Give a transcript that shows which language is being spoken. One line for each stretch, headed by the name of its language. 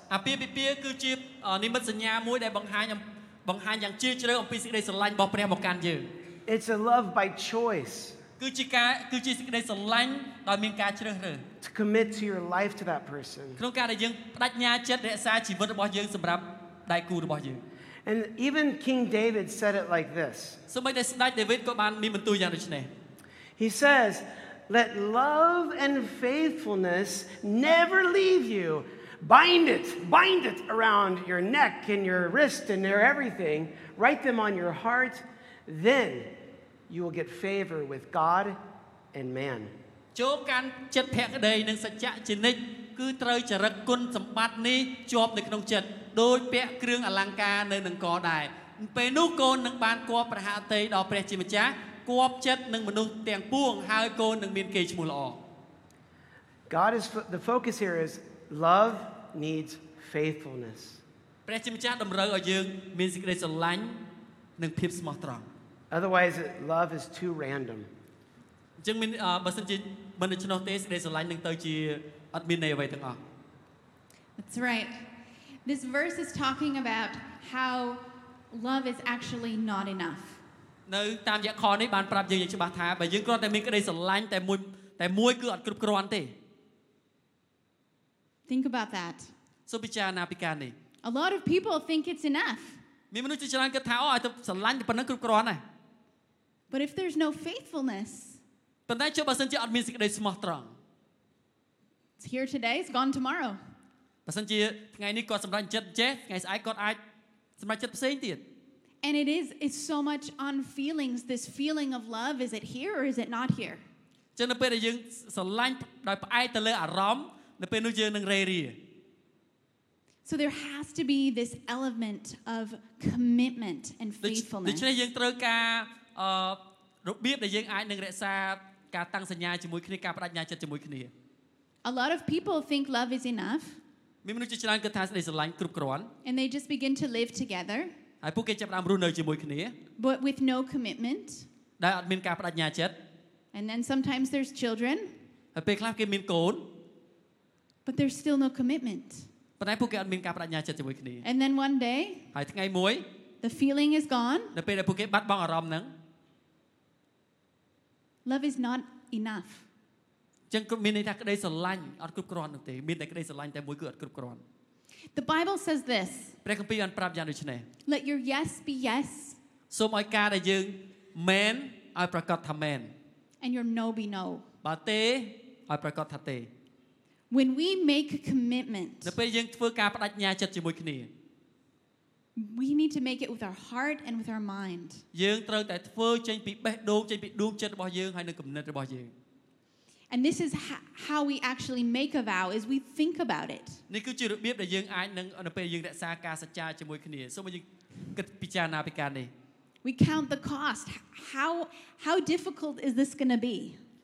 English: It's a love by choice. To commit to your life to that person. And And even King David said it like this. So my dad
Khmer: David ក៏បានមានបន្ទូលយ៉ាងដូច្នេះ.
English: He says, "Let love and faithfulness never leave you. Bind it around your neck and your wrist and your everything. Write them on your heart. Then you will get favor with God and man."
Khmer: ចូលកាន់ចិត្តភក្តីនិងសច្ចៈជានិច្ចគឺត្រូវចរិតគុណសម្បត្តិនេះជាប់នៅក្នុងចិត្តដោយពាក់គ្រឿងអលង្ការនៅនឹងកដែរពេលនោះកូននឹងបានគាប់ព្រះហឫទ័យដល់ព្រះជាម្ចាស់គាប់ចិត្តនឹងមនុស្សទាំងពួងហើយកូននឹងមានកេរ្តិ៍ឈ្មោះល្អ
English: God is the focus here is love needs faithfulness
Khmer: ព្រះជាម្ចាស់តម្រូវឲ្យយើងមានសេចក្តីស្រឡាញ់និងភាពស្មោះត្រង់
English: Otherwise love is too random
Khmer: អញ្ចឹងមានបើសិនជាមិនដូច្នោះទេសេចក្តីស្រឡាញ់នឹងទៅជាអត់មានន័យអ្វីទាំងអស់
English: That's right This verse is talking about how love is actually not enough.
Khmer: នៅតាមរយៈខនេះបានប្រាប់យើងយ៉ាងច្បាស់ថាបើយើងគ្រាន់តែមានក្តីស្រឡាញ់តែមួយគឺអត់គ្រប់គ្រាន់ទេ
English: Think about that.
Khmer: សូមពិចារណាពីការនេះ
English: A lot of people think it's enough.
Khmer: មានមនុស្សច្រើនគិតថាអូឲ្យតែស្រឡាញ់តែប៉ុណ្្នឹងគ្រប់គ្រាន់ហើយ
English: But if there's no faithfulness.
Khmer: ប៉ុន្តែជួបបើសិនជាអត់មានសេចក្តីស្មោះត្រង់
English: It's here today, it's gone tomorrow.
Khmer: បើសិនជាថ្ងៃនេះគាត់សម្រេចចិត្តចេះថ្ងៃស្អែកគាត់អាចសម្រេចចិត្តផ្សេងទៀត
English: And it is it's so much on feelings this feeling of love is it here or is it not here
Khmer: ចឹងនៅពេលដែលយើងស្រឡាញ់ដោយផ្អែកទៅលើអារម្មណ៍នៅពេលនោះយើងនឹងរេរា
English: So there has to be this element of commitment and faithfulness
Khmer: ដូច្នេះយើងត្រូវការរបៀបដែលយើងអាចនឹងរក្សាការតាំងសញ្ញាជាមួយគ្នាការបដិញ្ញាចិត្តជាមួយគ្នា
English: A lot of people think love is enough
Khmer: មានមនុស្សច្រើនគិតថាស្ដីស្រឡាញ់គ្រប់គ្រាន់
English: And they just begin to live together
Khmer: ហើយពួកគេចាប់ផ្ដើមរស់នៅជាមួយគ្នា
English: But with no commitment
Khmer: ដែលអត់មានការបដិញ្ញាចិត្ត
English: And then sometimes there's children
Khmer: ហើយពេលខ្លះគេមានកូន
English: But there's still no commitment
Khmer: ប៉ុន្តែពួកគេអត់មានការបដិញ្ញាចិត្តជាមួយគ្នា
English: And then one day
Khmer: ហើយថ្ងៃមួយ
English: The feeling is gone
Khmer: នៅពេលដែលពួកគេបាត់បង់អារម្មណ៍ហ្នឹង
English: Love is not enough
Khmer: ចឹងគឺមានន័យថាក្តីស្រឡាញ់អត់គ្រប់គ្រាន់នោះទេមានតែក្តីស្រឡាញ់តែមួយគឺអត់គ្រប់គ្រាន់
English: The Bible says this
Khmer: ព្រះគម្ពីរបានប្រាប់យ៉ាងដូច្នេះ
English: Let your yes be yes
Khmer: សូមឲ្យការដែលយើងមែនឲ្យប្រកាសថាមែន
English: And your no be no
Khmer: បើទេឲ្យប្រកាសថាទេ
English: When we make a commitment
Khmer: នៅពេលយើងធ្វើការបដិញ្ញាចិត្តជាមួយគ្នា
English: We need to make it with our heart and with our mind
Khmer: យើងត្រូវតែធ្វើចេញពីបេះដូងចេញពីដួងចិត្តរបស់យើងហើយនឹងគំនិតរបស់យើង
English: And this is how we actually make a vow is we think about it.
Khmer: នេះគឺជារបៀបដែលយើងអាចនឹងនៅពេលយើងរក្សាការសច្ចាជាមួយគ្នាសូមយើងគិតពិចារណាពីការនេះ
English: We count the cost. How difficult is this going to be?